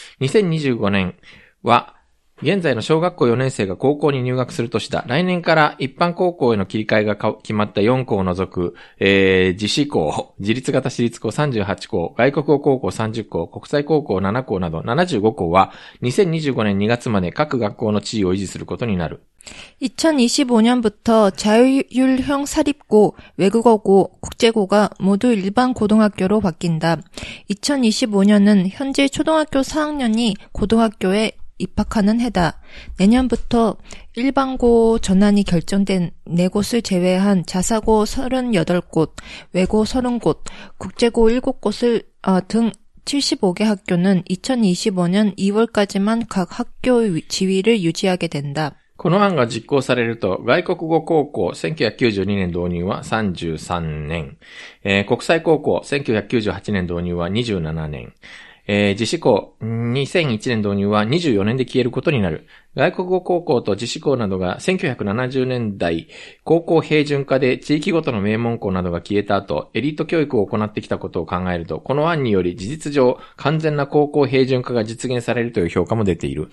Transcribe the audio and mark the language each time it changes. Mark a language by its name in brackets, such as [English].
[Japanese] 2025年は、現在の小学校4年生が高校に入学する年だ。来年から一般高校への切り替えが決まった4校を除く、自治校、自立型私立校38校、外国語高校30校、国際高校7校など75校は、2025年2月まで各学校の地位を維持することになる。 [Korean] 2025년부터 자율형 사립고, 외국어고, 국제고가 모두 일반 고등학교로 바뀐다. 2025년은 현재 초등학교 4학년이 고등학교에 입학하는 해다. 내년부터 일반 고 전환이 결정된 4곳을 제외한 자사고 38곳, 외고 30곳, 국제고 7곳을 등75개학교는 2025년 2월까지만 각 학교지위를 유지하게 된다. [Japanese] この案が実行されると、外国語高校1992年導入は33年、国際高校1998年導入は27年、自治校2001年導入は24年で消えることになる。外国語高校と自治校などが1970年代、高校平準化で地域ごとの名門校などが消えた後、エリート教育を行ってきたことを考えると、この案により事実上完全な高校平準化が実現されるという評価も出ている。